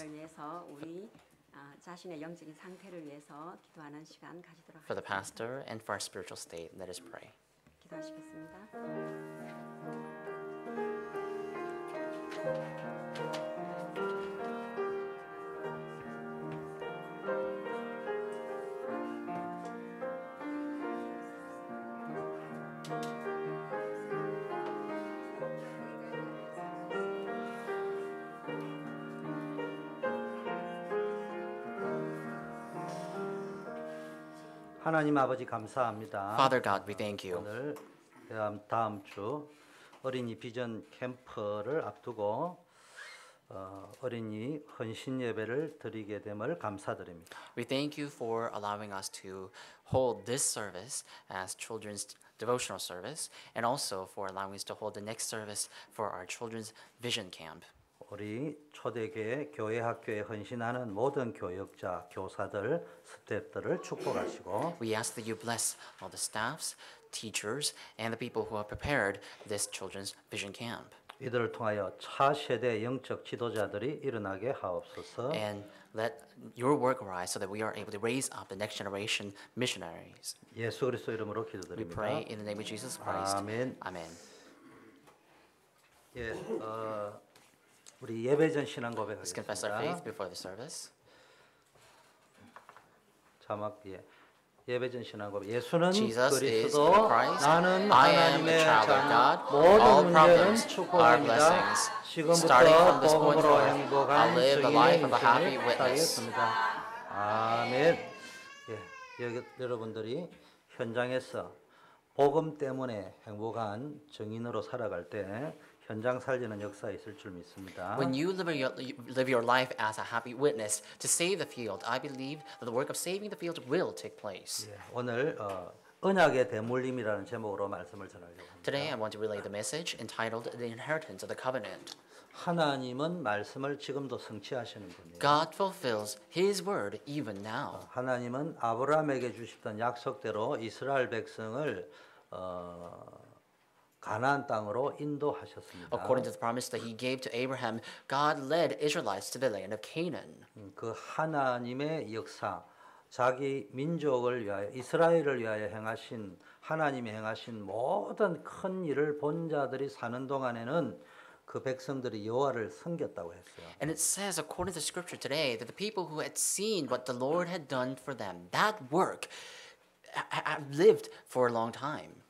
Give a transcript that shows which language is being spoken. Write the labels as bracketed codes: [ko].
[ko] 예배를 위해서 우리 자신의 영적인 상태를 위해서 기도하는 시간 가지도록 [en] For the pastor and for our spiritual state, let us pray. [ko] 기도하시겠습니다. 하나님 아버지 감사합니다. [en] Father God, we thank you. [ko] 오늘 다음 주 어린이 비전 캠프를 앞두고 어린이 헌신 예배를 드리게 됨을 감사드립니다. [en] We thank you for allowing us to hold this service as children's devotional service and also for allowing us to hold the next service for our children's vision camp. [ko] 우리 초대교회 교회 학교에 헌신하는 모든 교역자, 교사들, 스태프들을 축복하시고 [en] We ask that you bless all the staffs, teachers, and the people who have prepared this children's vision camp. [ko] 이들을 통하여 차 세대 영적 지도자들이 일어나게 하옵소서 [en] And let your work arise so that we are able to raise up the next generation missionaries. [ko] 예수 그리스도 이름으로 기도드립니다. [en] We pray in the name of Jesus Christ. [ko] 아멘. 아멘. 예, 우리 예배 전 신앙 고백하겠습니다. [en] Let's confess our faith before the service. [ko] 자막 예 예배 전 신앙 고백. 예수는 [en] Jesus [ko] 그리스도. [en] Christ. [ko] 나는 [en] I [ko] 하나님의 자녀. [en] God. [ko] 모든 [en] All [ko] 문제는 축복입니다. 지금부터 복음으로 행복한 주님의 사역입니다. 아멘. 예, 여기 여러분들이 현장에서 복음 때문에 행복한 증인으로 살아갈 때. 현장 살리는 역사 있을 줄 믿습니다. [en] When you live your life as a happy witness to save the field, I believe that the work of saving the field will take place. [ko] 예, 오늘 언약의 대물림이라는 제목으로 말씀을 전하려고 합니다. [en] Today I want to relay the message entitled The Inheritance of the Covenant. [ko] 하나님은 말씀을 지금도 성취하시는 분이에요. [en] God fulfills his word even now. [ko] 하나님은 아브라함에게 주셨던 약속대로 이스라엘 백성을 가나안 땅으로 인도하셨습니다. [en] According to the promise that he gave to Abraham, God led Israelites to the land of Canaan. [ko] 그 하나님의 역사, 자기 민족을 위하여 이스라엘을 위하여 행하신 하나님이 행하신 모든 큰 일을 본 자들이 사는 동안에는 그 백성들이 여호와를 섬겼다고 했어요. [en] And it says according to the scripture today that the people who had seen what the Lord had done for them, that work lived for a long time.